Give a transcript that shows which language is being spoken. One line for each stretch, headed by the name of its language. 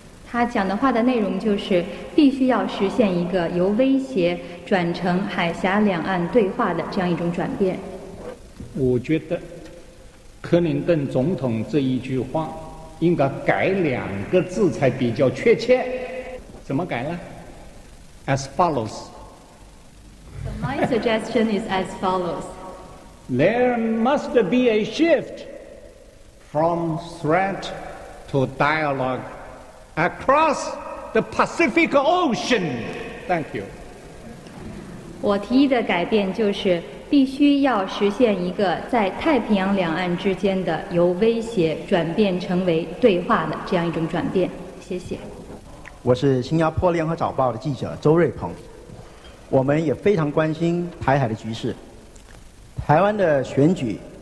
Chinese: 他讲的话的内容就是必须要实现一个由威胁转成海峡两岸对话的这样一种转变。我觉得克林顿总统这一句话应该改2个字才比较确切。怎么改呢？
English: As follows。 So my suggestion is as follows. There must be a shift from threat to dialogue across the Pacific Ocean. Thank you.
Chinese: 我提议的改变就是必须要实现一个在太平洋两岸之间的由威胁转变成为对话的这样一种转变。谢谢。我是新加坡联合早报的记者周瑞鹏，我们也非常关心台海的局势。台湾的选举